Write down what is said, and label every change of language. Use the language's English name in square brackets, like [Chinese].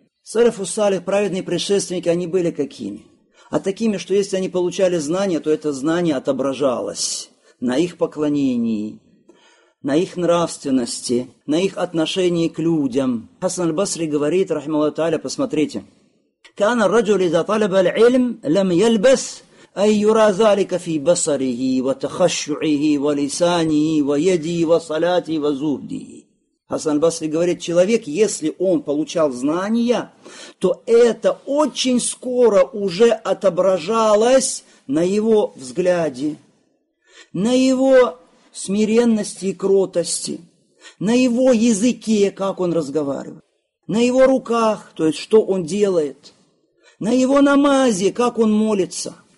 [Russian] Салиф ус-Салих, праведные предшественники, они были какими? А такими, что если они получали знания, то это знание отображалось на их поклонении, на их нравственности, на их отношении к людям. Хасан аль-Басри говорит, рахимаху тааля, посмотрите. [Arabic] «Кана раджули за талиб аль-Ильм лам ялбас». أي يرى ذلك في بصره وتخشعه ولسانه ويده وصلاته وزهده. [Russian] Хасан аль-Басри говорит, человек, если он получал знания, то это очень скоро уже отображалось на его взгляде, на его смиренности и кротости, на его языке, как он разговаривает, на его руках, то есть что он делает, на его намазе, как он молится.